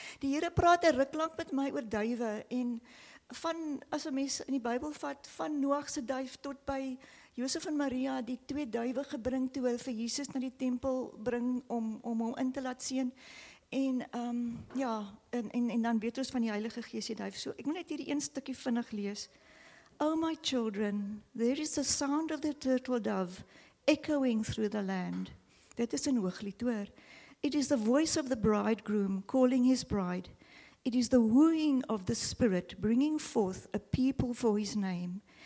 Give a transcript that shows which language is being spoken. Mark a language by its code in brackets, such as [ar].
[af] Die Here praat 'n ruk lank met my oor duwe en van, as 'n mens in die Bybel vat, van Noag se duif tot by Josef en Maria, die twee duwe gebring toe hulle vir Jesus na die tempel bring om hom in te laat seën. En ja, en dan weet ons van die Heilige Gees, die duif. So ek moet net hierdie een stukkie vinnig lees. [en] Oh my children, there is the sound of the turtle dove echoing through the land. [af] Dit is in Hooglied hoor. [en] It is the voice of the bridegroom calling his bride. It is the wooing of the spirit bringing forth a people for his name.